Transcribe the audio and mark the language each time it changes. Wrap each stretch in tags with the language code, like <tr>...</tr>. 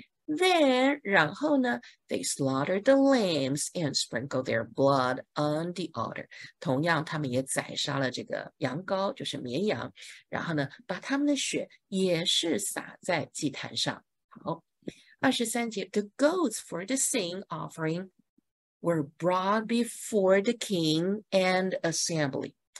<en>Then</en> <zh>然后呢，</zh> <en>they slaughtered the lambs and sprinkled their blood on the altar。</en> <zh>同样，他们也宰杀了这个羊羔，就是绵羊，然后呢，把他们的血也是洒在祭坛上。好，23节，</zh> <en>the goats for the sin offering were brought before the king and assembly。</en>